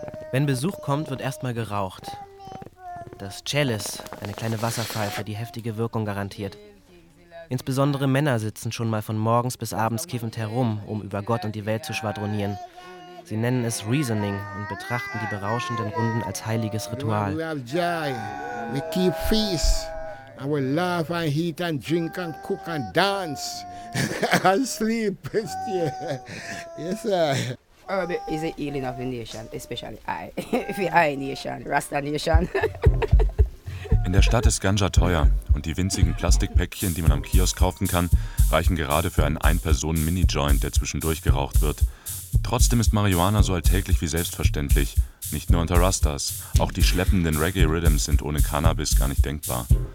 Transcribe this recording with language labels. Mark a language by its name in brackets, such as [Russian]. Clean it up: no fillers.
[German] Wenn Besuch kommt, wird erstmal geraucht. Das Chalice, eine kleine Wasserpfeife, die heftige Wirkung garantiert. Insbesondere Männer sitzen schon mal von morgens bis abends kiffend herum, um über Gott und die Welt zu schwadronieren. Sie nennen es Reasoning und betrachten die berauschenden Runden als heiliges Ritual. [English] We have joy, we keep feast, and we laugh and eat and drink and cook and dance and sleep. Yes, sir. Herb is the healing of the nation, especially I. For I nation, Rasta nation. [German] In der Stadt ist Ganja teuer und die winzigen Plastikpäckchen, die man am Kiosk kaufen kann, reichen gerade für einen Ein-Personen-Mini-Joint, der zwischendurch geraucht wird. Trotzdem ist Marihuana so alltäglich wie selbstverständlich. Nicht nur unter Rastas. Auch die schleppenden Reggae-Rhythms sind ohne Cannabis gar nicht denkbar.